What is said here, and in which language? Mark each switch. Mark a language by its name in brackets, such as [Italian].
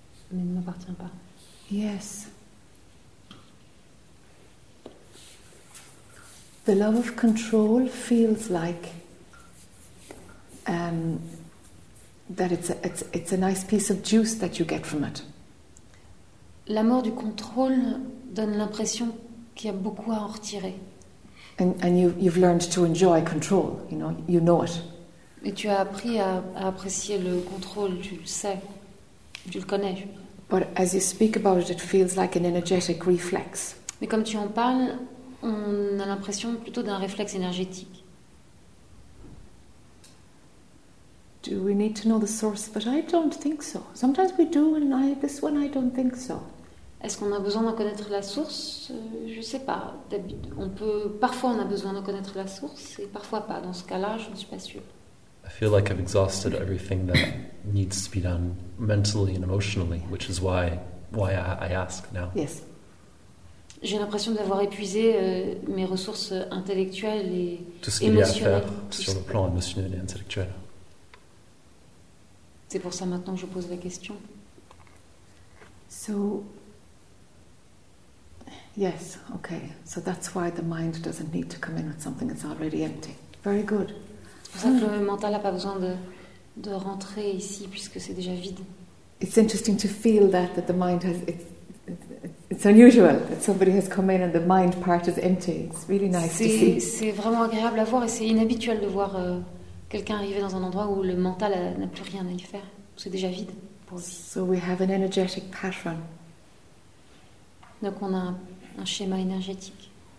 [French] Mais ne m'appartient pas. [English] Yes. The love of control feels like. That it's a nice piece of juice that you get from it. [French] L'amour du contrôle donne l'impression qu'il y a beaucoup à en retirer. [English] And you've learned to enjoy control, you know it. [French] Et tu as appris à apprécier le contrôle, tu le sais, tu le connais. [English] But as you speak about it, it feels like an energetic reflex. [French] Mais comme tu en parles, on a l'impression plutôt d'un réflexe énergétique. [English] Do we need to know the source? But I don't think so. Sometimes we do, and this one I don't think so. [French] Est-ce qu'on a besoin d'en connaître la source? Je sais pas. Parfois on a besoin d'en connaître la source, et parfois pas. Dans ce cas-là, je ne suis pas sûre. [English] I feel like I've exhausted everything that needs to be done mentally and emotionally, which is why I ask now. Yes. [French] J'ai l'impression d'avoir épuisé mes ressources intellectuelles et émotionnelles. Tout ce qu'il y a à faire sur le plan émotionnel et intellectuel. C'est pour ça maintenant que je pose la question. [English] So, yes, okay. So that's why the mind doesn't need to come in with something that's already empty. Very good. [French] C'est pour ça que le mental n'a pas besoin de rentrer ici puisque c'est déjà vide. [English] It's interesting to feel that the mind has. It's unusual that somebody has come in and the mind part is empty. It's really nice to see. [French] C'est vraiment agréable à voir et c'est inhabituel de voir. Quelqu'un arrivait dans un endroit où le mental n'a plus rien à y faire. C'est déjà vide pour lui. [English] So we have an energetic pattern. [French] Donc on a un schéma énergétique.